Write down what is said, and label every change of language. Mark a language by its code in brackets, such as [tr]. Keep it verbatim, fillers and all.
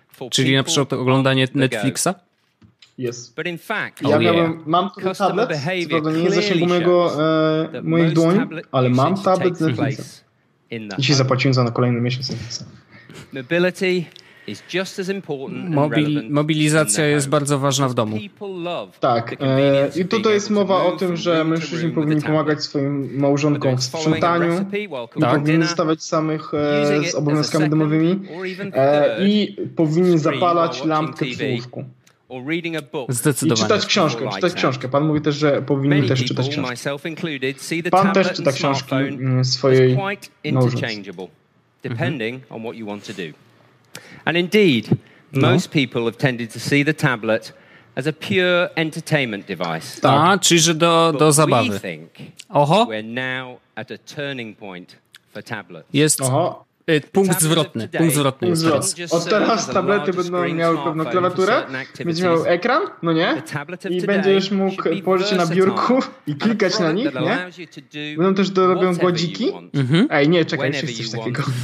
[pl] Czyli na przykład oglądanie Netflixa? [en] Yes. But in fact, ja oh yeah. [pl] miałem, mam tutaj tablet, co nie jest zasięgu mojego, e, moich dłoni, ale mam tablet Netflixa. Dzisiaj zapłaciłem za na kolejny miesiąc. [en] Mobility is just as important [pl] Mobil, mobilizacja jest bardzo ważna w domu. Tak. E, I tutaj jest mowa o tym, że mężczyźni powinni pomagać swoim małżonkom w sprzątaniu, nie tak. powinni zostawiać samych e, z obowiązkami domowymi e, i powinni zapalać lampkę przy łóżku. Zdecydowanie. I czytać książkę, czytać książkę. Pan mówi też, że powinien też czytać książkę. Pan też czyta książki swojej małżonce. [en] Depending on what you want to do. And indeed, most people have tended to see the tablet as a pure entertainment device. [pl] Tak, czyli że do, do zabawy. Oho. [en] We're now at a turning point for tablets. [pl] Jest... Oho. Punkt zwrotny. Punkt zwrotny. Punkt zwrotny. Od teraz tablety będą miały pewną klawiaturę, będziesz miał ekran, no nie? I będziesz mógł położyć się na biurku i klikać na nich, nie? Będą też dorobią gładziki. Mm-hmm. Ej, nie, czekaj, jeszcze jest coś takiego.